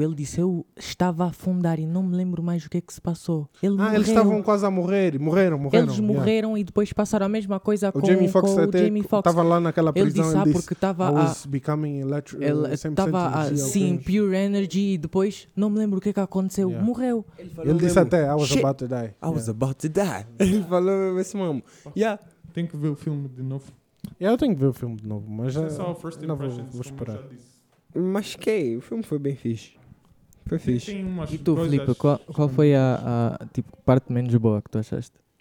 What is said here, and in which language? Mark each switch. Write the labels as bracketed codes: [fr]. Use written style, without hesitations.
[pt] Ele disse, eu estava a afundar e não me lembro mais o que é que se passou. Ele morreu. Eles estavam quase a morrer. Morreram. Eles morreram e depois passaram a mesma coisa o com, Fox com até o Jamie Foxx. Estava lá naquela prisão. Ele disse, ah, porque estava a... [en] becoming electric. [pt] Ele estava a... Sim, [en] pure energy. [pt] E depois, não me lembro o que é que aconteceu. [en] Yeah. [pt] Morreu. Ele disse até, [en] I was about to die. [pt] Ele falou esse mesmo. [en] Yeah. [pt] Tem que ver o filme de novo. Eu tenho que ver o filme de novo, mas... É só o First Impressions, vou esperar. Mas que é? O filme foi bem fixe. Foi fixe. E tu, Filipe, qual foi a tipo, parte menos boa que tu achaste?